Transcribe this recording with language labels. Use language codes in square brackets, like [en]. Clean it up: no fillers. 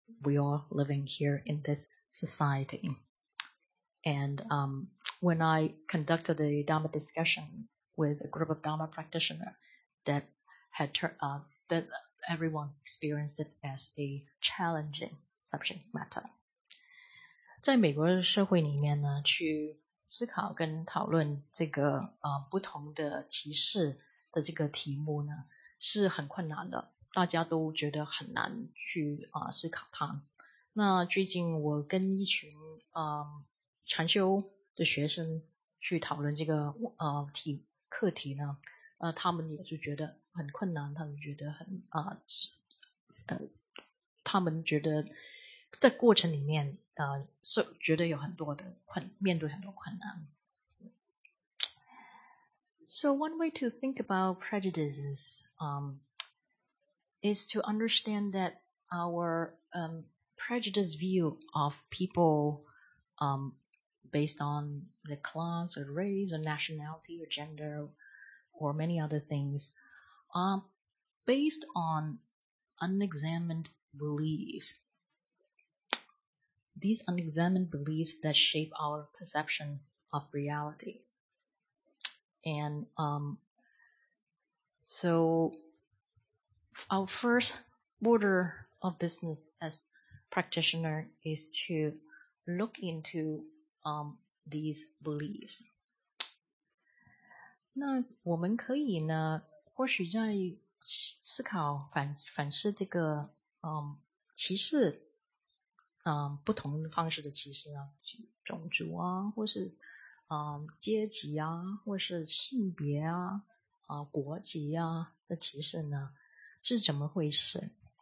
[en] We are living here in this society. And when I conducted a Dhamma discussion with a group of Dhamma practitioners that had that everyone experienced it as a challenging subject matter. [zh] 在美国社会里面呢，去思考跟讨论这个不同的歧视的这个题目呢，是很困难的，大家都觉得很难去思考它。那最近我跟一群禅修的学生去讨论这个课题呢，他们也是觉得很困难，他们觉得很他们觉得在过程里面是觉得有很多的面对很多困难。 [en] So one way to think about prejudices is to understand that our prejudice view of people based on the class or race or nationality or gender or many other things are based on unexamined beliefs. These unexamined beliefs that shape our perception of reality. And so our first order of business as practitioner is to look into these beliefs. [zh] 那我们可以呢，或许在思考反思这个歧视不同方式的歧视啊，种族啊，或是阶级啊，或是性别啊，国籍啊的歧视呢，是怎么回事？